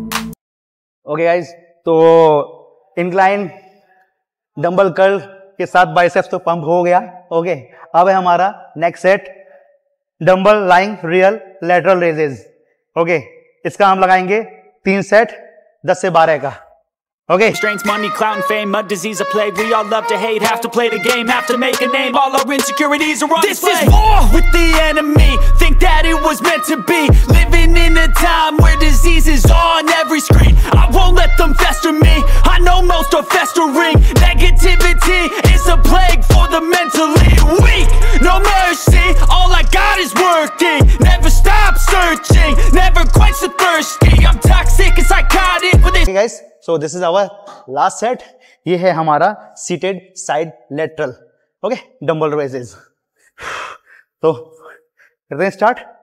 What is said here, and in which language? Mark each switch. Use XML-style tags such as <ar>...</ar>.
<hi>Okay guys, तो incline dumbbell curl के साथ बाइसेप्स तो पंप हो गया. ओके, अब है हमारा next set dumbbell lying real lateral raises. Okay, इसका हम लगाएंगे 3 सेट 10 से 12 का.</hi> <en>Okay. Strength, money, clout, and fame. A disease, a plague. We all love to hate. Have to play the game. Have to make a name. All our insecurities are on display. This is war with the enemy. Think that it was meant to be. Living in a time where disease is on every screen. I won't let them fester me. I know most are festering. Negativity is a plague for the mentally weak. No mercy. All I got is working. Never stop searching. Never quench the thirsty. I'm toxic and psychotic with this. Hey guys. So this is our last set.</en> <hi>ये है हमारा</hi> <en>seated side lateral. Okay, dumbbell raises.</en> <hi>तो करते हैं start.</hi>